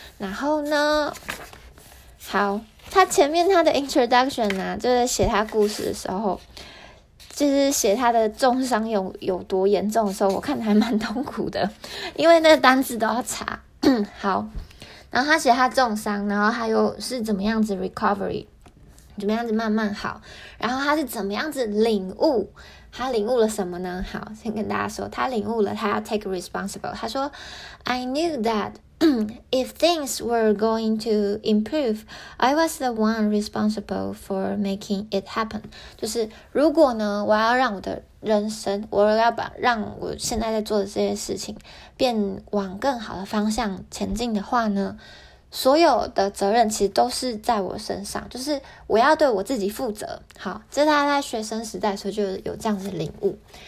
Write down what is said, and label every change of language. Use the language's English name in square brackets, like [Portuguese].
[Chinese] 然后呢，好，他前面他的 introduction 啊，就在写他故事的时候，就是写他的重伤有多严重的时候，我看还蛮痛苦的，因为那个单字都要查好，然后他写他重伤，然后他又是怎么样子 recovery， 怎么样子慢慢好，然后他是怎么样子领悟，他领悟了什么呢？好，先跟大家说，他领悟了他要 [English] take responsible。 [Chinese] 他说 [English] I knew that if things were going to improve, I was the one responsible for making it happen. [Chinese] 就是如果呢，我要让我的人生，我要把让我现在在做的这些事情变往更好的方向前进的话呢，所有的责任其实都是在我身上，就是我要对我自己负责。好，这大家在学生时代的时候就有这样子领悟。